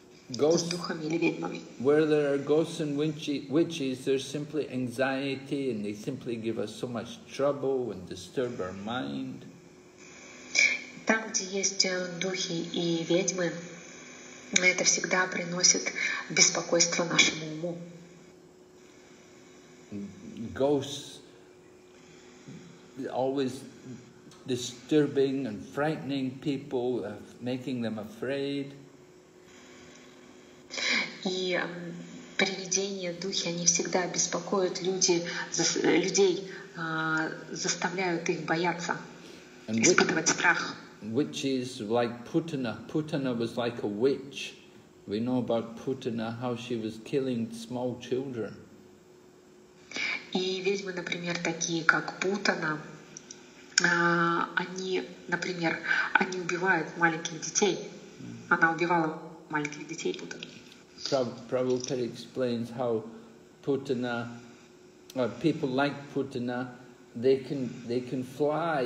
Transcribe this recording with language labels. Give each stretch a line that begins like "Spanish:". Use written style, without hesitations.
English: ghosts,
Russian: с духами или ведьмами.
English: Where there are ghosts and witches, there's simply anxiety, and they simply give us so much trouble and disturb our mind.
Russian: Там, где есть духи и ведьмы, это всегда приносит беспокойство нашему уму.
English: Ghosts always disturbing and frightening people, making them afraid.
Russian: И привидения, духи, они всегда беспокоят людей, заставляют их бояться,
English: and
Russian: испытывать страх.
English: Witches like Putana. Putana was like a witch. We know about Putana, how she was killing small children.
Russian: И ведьмы, например, такие как Путана, они, например, они убивают маленьких детей. Она убивала маленьких детей, Путана.
English: Prabhupada explains how Putana, or people like Putana, they can fly.